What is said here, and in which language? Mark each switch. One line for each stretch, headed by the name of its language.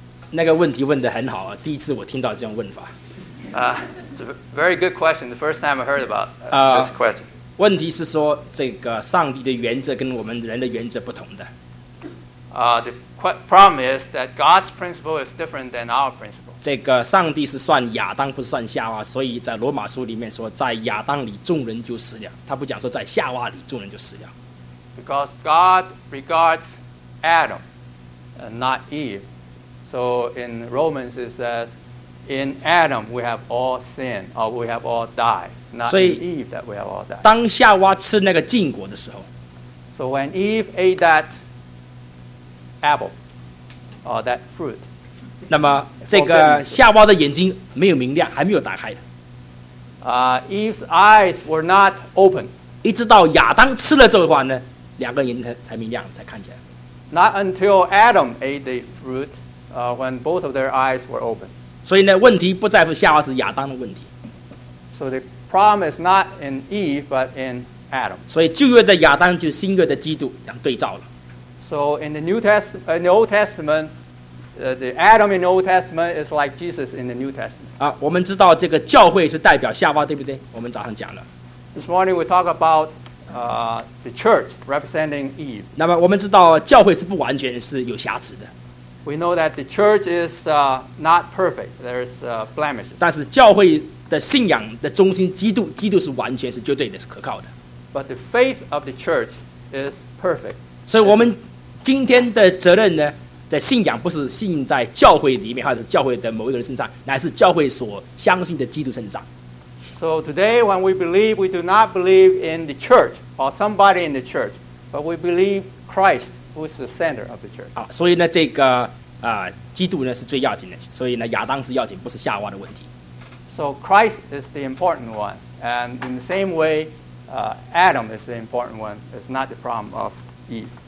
Chinese: 那个问题问得很好，第一次我听到这样问法。
English: It's a very good question. The first time I heard about this question.
Chinese: 问题是说，这个上帝的原则跟我们人的原则不同的。
English: The problem is that God's principle is different than our principle.
Chinese: 这个上帝是算亚当不是算夏娃，所以在罗马书里面说在亚当里众人就死了，他不讲说在夏娃里众人就死了。
English: Because God regards Adam and not Eve. So in Romans it says in Adam we have all sin or we have all died, not in Eve that we have all died.
Chinese: 当夏娃吃那个禁果的时候，
English: So when Eve ate that apple or that fruit,
Chinese: 那么这个夏娃的眼睛没有明亮，还没有打开的。
English: Eve's eyes were not open.
Chinese: 一直到亚当吃了这个话呢，两个人才明亮才看见。
English: Not until Adam ate the fruit, when both of their eyes were open.
Chinese: 所以呢，问题不在乎夏娃是亚当的问题。
English: So the problem is not in Eve, but in Adam.
Chinese: 所以旧约的亚当就是新约的基督，这样对照了。
English: So in the New Testament, in the Old Testament, the Adam in the Old Testament is like Jesus in the New Testament.
Chinese: 啊，我们知道这个教会是代表夏娃，对不对？我们早上讲了。
English: This morning we talk about, the church representing Eve.
Chinese: 那么我们知道教会是不完全，是有瑕疵的。
English: We know that the church is, not perfect. There is, blemishes.
Chinese: 但是教会的信仰的中心，基督，基督是完全，是绝对的，是可靠的。
English: But the faith of the church is perfect.
Chinese: 所以我们今天的责任呢，在信仰不是信在教会里面，或者是教会的某一个人身上，乃是教会所相信的基督身上。
English: So today, when we believe, we do not believe in the church or somebody in the church, but we believe Christ, who is the center of the church.
Chinese: 啊，所以呢，这个基督呢是最要紧的，所以呢，亚当是要紧，不是夏娃的问题。
English: So Christ is the important one, and in the same way, Adam is the important one. It's not the problem of Eve.